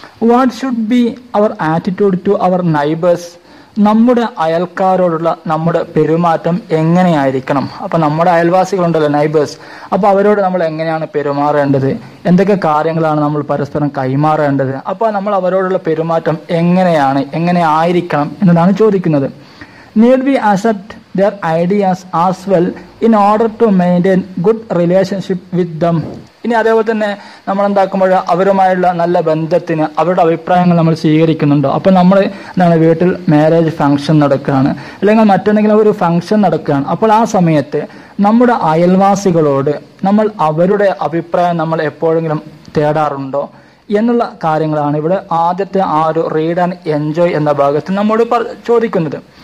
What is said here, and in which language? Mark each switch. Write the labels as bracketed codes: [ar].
[en] What should be our attitude to our neighbours? [ml] നമ്മുടെ അയൽക്കാരോടുള്ള നമ്മുടെ പെരുമാറ്റം എങ്ങനെയായിരിക്കണം? അപ്പൊ നമ്മുടെ അയൽവാസികളുണ്ടല്ലോ, നൈബേഴ്സ്, അപ്പൊ അവരോട് നമ്മൾ എങ്ങനെയാണ് പെരുമാറേണ്ടത്? എന്തൊക്കെ കാര്യങ്ങളാണ് നമ്മൾ പരസ്പരം കൈമാറേണ്ടത്? അപ്പൊ നമ്മൾ അവരോടുള്ള പെരുമാറ്റം എങ്ങനെയാണ്, എങ്ങനെ ആയിരിക്കണം എന്നതാണ് ചോദിക്കുന്നത്. [en] Need we accept their ideas as well in order to maintain good relationship with them? [ml] ഇനി അതേപോലെ തന്നെ നമ്മൾ എന്താക്കുമ്പോൾ അവരുമായുള്ള നല്ല ബന്ധത്തിന് അവരുടെ അഭിപ്രായങ്ങൾ നമ്മൾ സ്വീകരിക്കുന്നുണ്ടോ? അപ്പൊ നമ്മൾ എന്താണ്, വീട്ടിൽ മാരേജ് ഫംഗ്ഷൻ നടക്കുകയാണ്, അല്ലെങ്കിൽ മറ്റെന്തെങ്കിലും ഒരു ഫംഗ്ഷൻ നടക്കുകയാണ്, അപ്പോൾ ആ സമയത്ത് നമ്മുടെ അയൽവാസികളോട് നമ്മൾ അവരുടെ അഭിപ്രായം നമ്മൾ എപ്പോഴെങ്കിലും തേടാറുണ്ടോ എന്നുള്ള കാര്യങ്ങളാണ് ഇവിടെ ആദ്യത്തെ ആ ഒരു റീഡ് ആൻഡ് എൻജോയ് എന്ന ഭാഗത്ത് നമ്മോട് ചോദിക്കുന്നത്.